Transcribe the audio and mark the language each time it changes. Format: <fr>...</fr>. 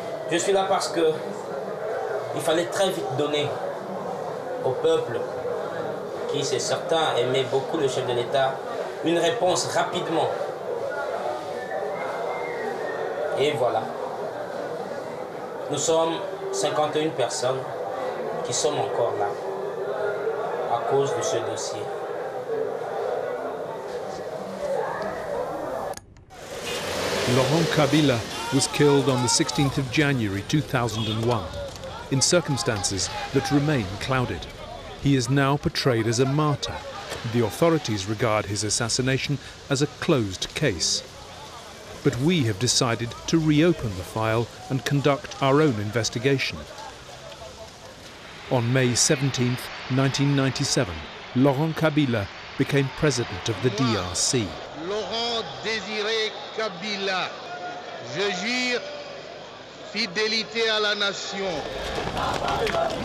<fr>Je suis là parce que il fallait très vite donner au peuple, qui c'est certain aimait beaucoup le chef de l'État, une réponse rapidement. Et voilà. Nous sommes 51 personnes qui sommes encore là à cause de ce dossier.</fr> <en>Laurent Kabila was killed on the 16th of January 2001 in circumstances that remain clouded. He is now portrayed as a martyr. The authorities regard his assassination as a closed case. But we have decided to reopen the file and conduct our own investigation. On May 17, 1997, Laurent Kabila became president of the DRC.</en> <fr>Laurent-Desire Kabila, je jure fidélité à la nation.</fr>